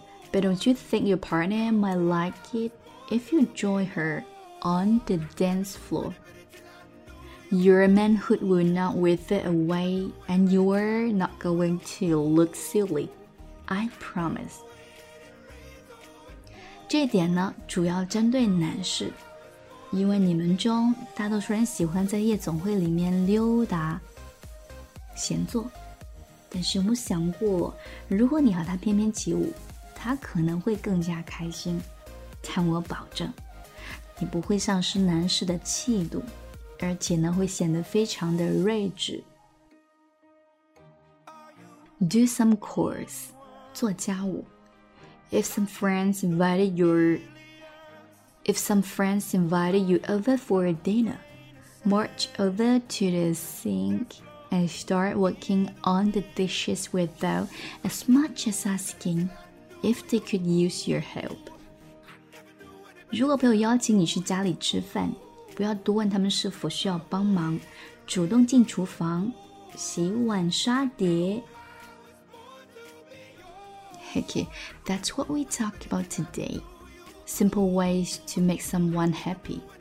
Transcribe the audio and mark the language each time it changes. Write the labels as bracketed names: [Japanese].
[English] But don't you think your partner might like it if you join her on the dance floor? Your manhood will not wither away, and you're not going to look silly, I promise. [Chinese] 这点呢，主要针对男士。因为你们中大多数人喜欢在夜总会里面溜达闲坐，但是有没有想过，如果你和他翩翩起舞，他可能会更加开心，但我保证你不会丧失男士的气度，而且呢会显得非常的睿智。 [English] Do some chores， [Chinese] 做家务。 [English] If some friends invited you over for dinner, march over to the sink and start working on the dishes without as much as asking if they could use your help. [Chinese] 如果朋友邀请你去家里吃饭，不要多问他们是否需要帮忙，主动进厨房，洗碗刷碟。 [English] Okay, that's what we talk about today. Simple ways to make someone happy.